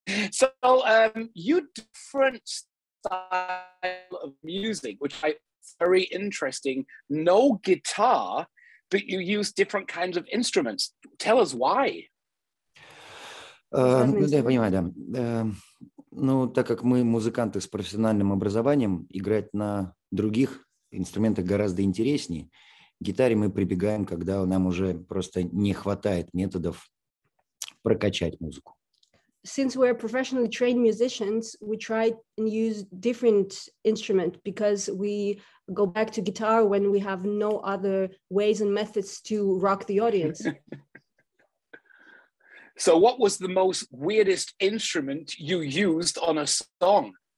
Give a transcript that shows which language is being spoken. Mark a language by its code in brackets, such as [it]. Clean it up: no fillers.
[en] So, you different style of music, which I very interesting. No guitar, but you use different kinds of instruments. Tell us why. [ru] Да, я понимаю, да. Ну, так как мы музыканты с профессиональным образованием, играть на других инструментах гораздо интереснее. Гитаре мы прибегаем, когда нам уже просто не хватает методов прокачать музыку. [en] Since we're professionally trained musicians, we try and use different instruments because we go back to guitar when we have no other ways and methods to rock the audience. So what was the most weirdest instrument you used on a song?